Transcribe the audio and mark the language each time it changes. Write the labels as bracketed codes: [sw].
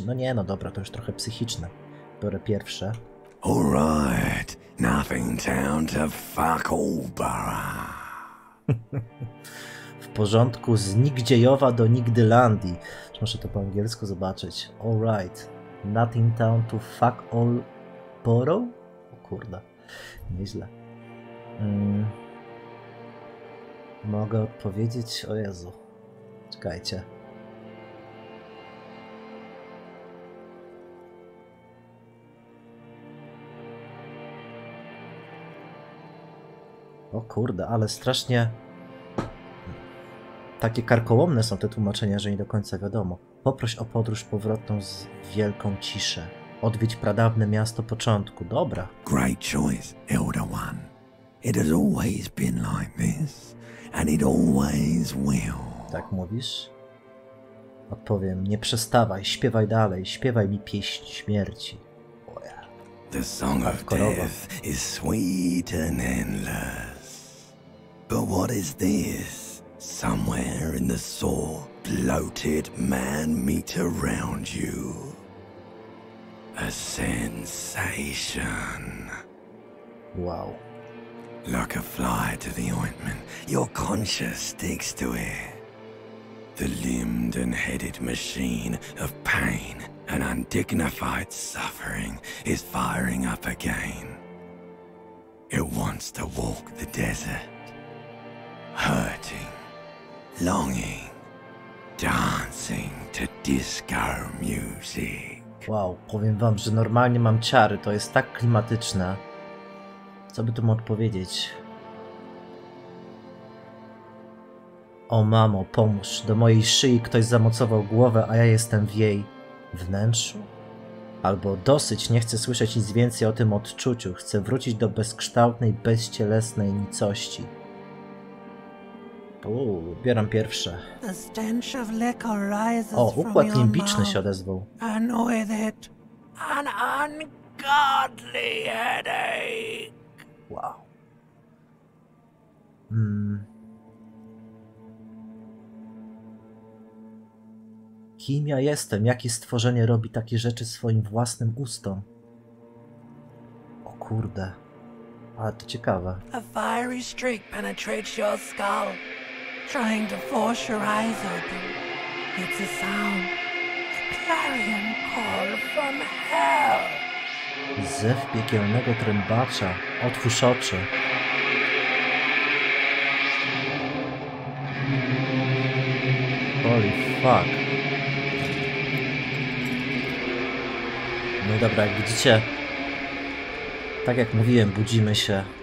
[pl] No nie, no dobra, to już trochę psychiczne. Biorę pierwsze. [en] All right. Nothing town to fuck all bara. [pl] W porządku, z nigdziejowa do nigdylandii. Muszę to po angielsku zobaczyć. [en] Alright. Nothing town to fuck all borrow? [pl] O kurde. Nieźle. Mogę odpowiedzieć? O Jezu. Czekajcie. O kurde, ale strasznie... Takie karkołomne są te tłumaczenia, że nie do końca wiadomo. Poproś o podróż powrotną z wielką ciszę. Odwiedź pradawne miasto początku. Dobra. [en] Great choice, Elder One. It has always been like this, and it always will. [pl] Tak mówisz? Odpowiem, nie przestawaj, śpiewaj dalej, śpiewaj mi pieśń śmierci. [en] Oh yeah. The song of death is sweet and endless. But what is this? Somewhere in the sore, bloated man meat around you. A sensation. Wow. Like a fly to the ointment, your conscience sticks to it. The limbed and headed machine of pain and undignified suffering is firing up again. It wants to walk the desert. Hurting. Longing, dancing to disco music. [pl] Wow, powiem wam, że normalnie mam ciary, to jest tak klimatyczne. Co by tu mu odpowiedzieć? O mamo, pomóż, do mojej szyi ktoś zamocował głowę, a ja jestem w jej wnętrzu? Albo dosyć, nie chcę słyszeć nic więcej o tym odczuciu, chcę wrócić do bezkształtnej, bezcielesnej nicości. Bieram pierwsze. [en] The stench of liquor rises. [pl] O, układ limbiczny się odezwał. [en] And with it, an ungodly headache. Wow. [pl] Kim ja jestem? Jakie stworzenie robi takie rzeczy swoim własnym ustom? O kurde. Ale to ciekawe. [en] A fiery streak penetrates your skull. Trying to force your eyes open. It's a sound. A clarion call from hell. [pl] Zew piekielnego trębacza. Otwórz oczy. [en] Holy fuck. [pl] No dobra, jak widzicie, tak jak mówiłem, budzimy się